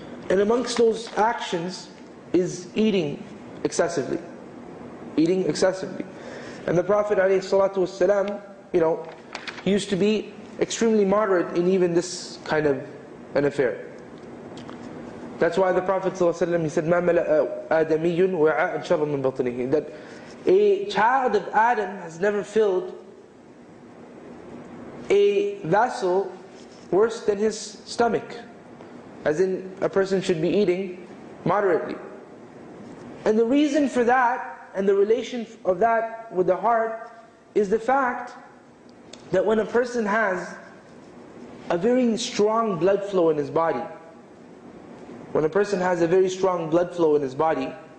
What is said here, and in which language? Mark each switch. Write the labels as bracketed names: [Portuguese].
[English] And amongst those actions is eating excessively. Eating excessively. And the Prophet ﷺ, you know, used to be extremely moderate in even this kind of an affair. That's why the Prophet ﷺ, he said, [Arabic] "مَا مَلَأَ آدَمِيٌّ وَعَاءً شَرًّا مِنْ بَطْنِهِ." [English] That a child of Adam has never filled a vessel worse than his stomach. As in, a person should be eating moderately. And the reason for that, and the relation of that with the heart, is the fact that when a person has a very strong blood flow in his body, when a person has a very strong blood flow in his body,